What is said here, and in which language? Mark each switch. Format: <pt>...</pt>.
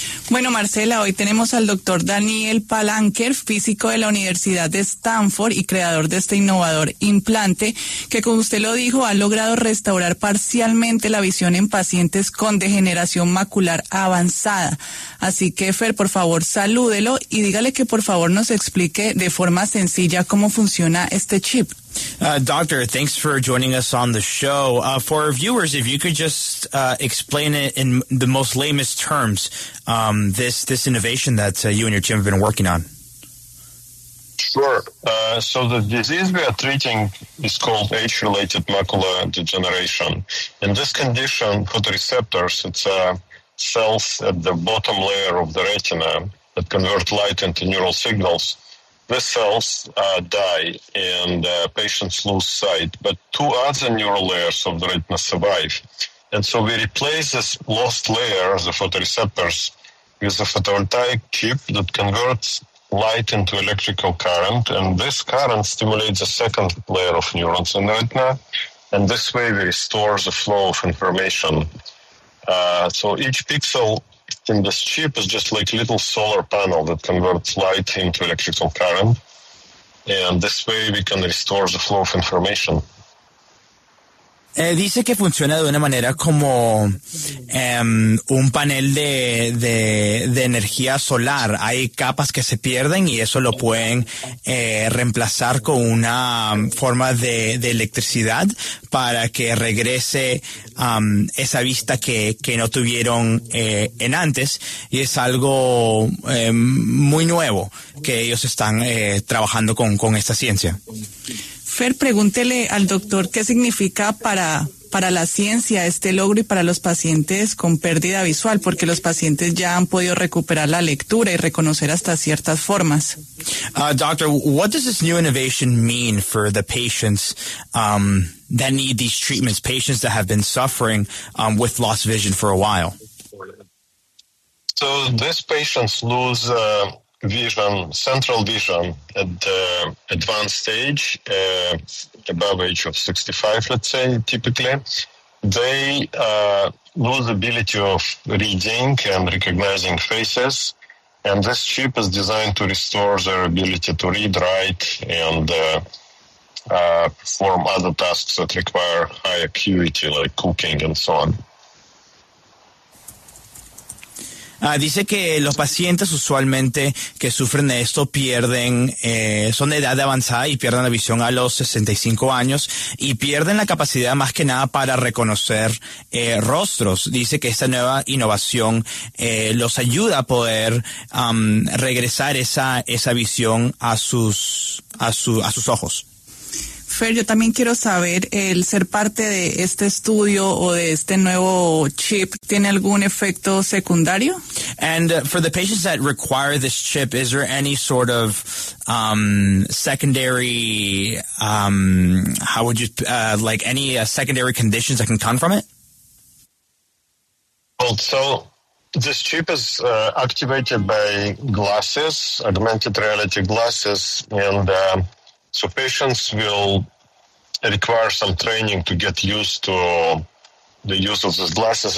<es>Bueno, Marcela, hoy tenemos al doctor Daniel Palanker, físico de la Universidad de Stanford y creador de este innovador implante que, como usted lo dijo, ha logrado restaurar parcialmente la visión en pacientes con degeneración macular avanzada. Así que, Fer, por favor, salúdelo y dígale que por favor nos explique de forma sencilla cómo funciona este chip.</es> <en>Doctor, thanks for joining us on the show. For our viewers, if you could just explain it in the most lamest terms, this innovation that you and your team have been working on. Sure. So the disease we are treating is called age-related macular degeneration. In this condition, photoreceptors, it's cells at the bottom layer of the retina that convert light into neural signals. These cells die and patients lose sight, but two other neural layers of the retina survive. And so we replace this lost layer, the photoreceptors, with a photovoltaic chip that converts light into electrical current, and this current stimulates the second layer of neurons in the retina, and this way we restore the flow of information. So each pixel in this chip is just like a little solar panel that converts light into electrical current. And this way we can restore the flow of information.</en> <es>Dice que funciona de una manera como un panel de energía solar. Hay capas que se pierden y eso lo pueden reemplazar con una forma de electricidad para que regrese esa vista que no tuvieron en antes. Y es algo muy nuevo que ellos están trabajando con esta ciencia. Fer, pregúntele al doctor qué significa para la ciencia este logro y para los pacientes con pérdida visual, porque los pacientes ya han podido recuperar la lectura y reconocer hasta ciertas formas.</es> <en>Doctor, what does this new innovation mean for the patients that need these treatments, patients that have been suffering with lost vision for a while? So these patients lose vision, central vision at the advanced stage, above age of 65, let's say, typically. They lose the ability of reading and recognizing faces, and this chip is designed to restore their ability to read, write, and perform other tasks that require high acuity, like cooking and so on.</en> <es>Dice que los pacientes usualmente que sufren de esto pierden, son de edad avanzada y pierden la visión a los 65 años y pierden la capacidad más que nada para reconocer rostros. Dice que esta nueva innovación los ayuda a poder regresar esa visión a sus ojos. Fer, yo también quiero saber, ¿el ser parte de este estudio o de este nuevo chip tiene algún efecto secundario?</es> <en>And for the patients that require this chip, is there any sort of secondary, how would you, like any secondary conditions that can come from it? Well, so this chip is activated by glasses, augmented reality glasses, and so patients will require some training to get used to the use of these glasses.</en>